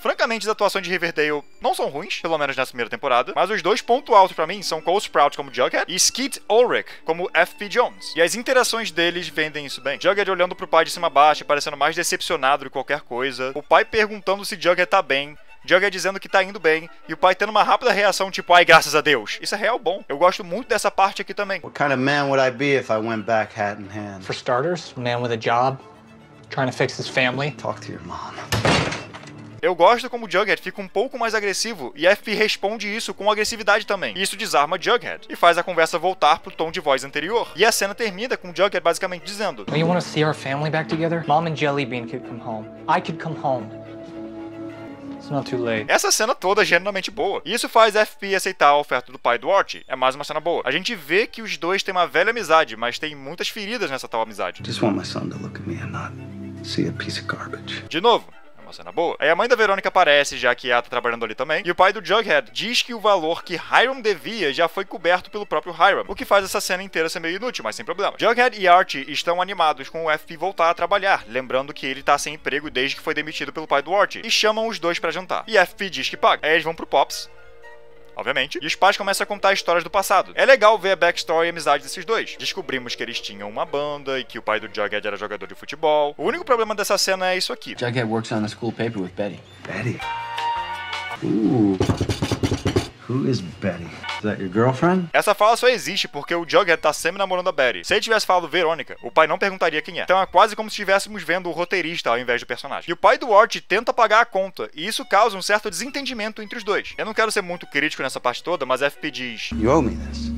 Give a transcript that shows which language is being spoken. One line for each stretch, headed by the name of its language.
Portuguese: Francamente, as atuações de Riverdale não são ruins, pelo menos nessa primeira temporada, mas os dois pontos altos pra mim são Cole Sprout como Jughead e Skeet Ulrich como FP Jones. E as interações deles vendem isso bem. Jughead olhando pro pai de cima a baixo, parecendo mais decepcionado de qualquer coisa. O pai perguntando se Jughead tá bem. Jughead dizendo que tá indo bem, e o pai tendo uma rápida reação tipo: "Ai, graças a Deus." Isso é real bom. Eu gosto muito dessa parte aqui também.
English: What kind of man would I be if I went back hat in hand? For starters, a man with a job, trying to fix his family. Talk to your mom.
Portuguese: Eu gosto como Jughead fica um pouco mais agressivo, e FP responde isso com agressividade também. Isso desarma Jughead, e faz a conversa voltar pro tom de voz anterior. E a cena termina com Jughead basicamente dizendo:
English: "Do you want to see our family back together? Mom and Jelly Bean could come home. I could come home. It's not too late."
Portuguese: Essa cena toda é genuinamente boa. E isso faz FP aceitar a oferta do pai do Art. É mais uma cena boa. A gente vê que os dois têm uma velha amizade, mas tem muitas feridas nessa tal amizade.
English: Just want my son to look at me and not see a piece of garbage.
Portuguese: De novo. Cena boa. Aí a mãe da Verônica aparece, já que ela tá trabalhando ali também, e o pai do Jughead diz que o valor que Hiram devia já foi coberto pelo próprio Hiram, o que faz essa cena inteira ser meio inútil, mas sem problema. Jughead e Art estão animados com o FP voltar a trabalhar, lembrando que ele tá sem emprego desde que foi demitido pelo pai do Art, e chamam os dois pra jantar. E FP diz que paga. Aí eles vão pro Pops, obviamente, e os pais começam a contar histórias do passado. É legal ver a backstory e a amizade desses dois. Descobrimos que eles tinham uma banda e que o pai do Jughead era jogador de futebol. O único problema dessa cena é isso aqui.
English: Jughead works on a school paper with Betty. Betty? Ooh. Who is Betty? Is that your girlfriend?
Portuguese: Essa fala só existe porque o Jughead tá sempre namorando a Betty. Se ele tivesse falado Verônica, o pai não perguntaria quem é. Então é quase como se estivéssemos vendo o roteirista ao invés do personagem. E o pai do Art tenta pagar a conta, e isso causa um certo desentendimento entre os dois. Eu não quero ser muito crítico nessa parte toda, mas FP diz:
English: "You owe me this."